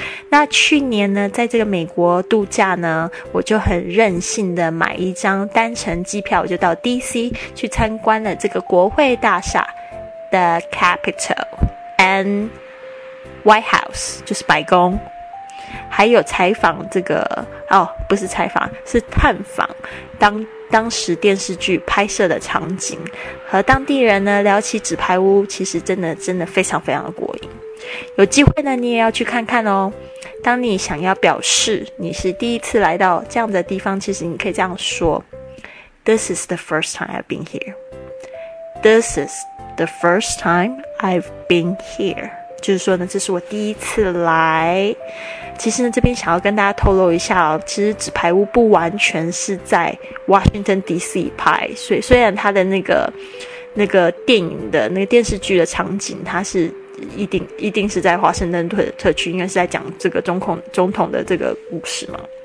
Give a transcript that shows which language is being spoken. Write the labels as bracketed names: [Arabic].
[Chinese] 那去年呢，在这个美国度假呢，我就很任性的买一张单程机票，我就到 DC 去参观了这个国会大厦 The Capitol and White House 就是白宫，还有采访这个哦，不是采访，是探访当时电视剧拍摄的场景，和当地人呢聊起纸牌屋，其实真的非常非常的过瘾。有机会呢，你也要去看看哦。当你想要表示你是第一次来到这样的地方，其实你可以这样说 ： This is the first time I've been here. [English] This is the first time I've been here. [Chinese] 就是说呢，这是我第一次来。其实呢，这边想要跟大家透露一下哦，其实纸牌屋不完全是在 Washington DC 拍，所以虽然它的那个电影的那个电视剧的场景，它是一定是在华盛顿特区，应该是在讲这个总统的这个故事嘛。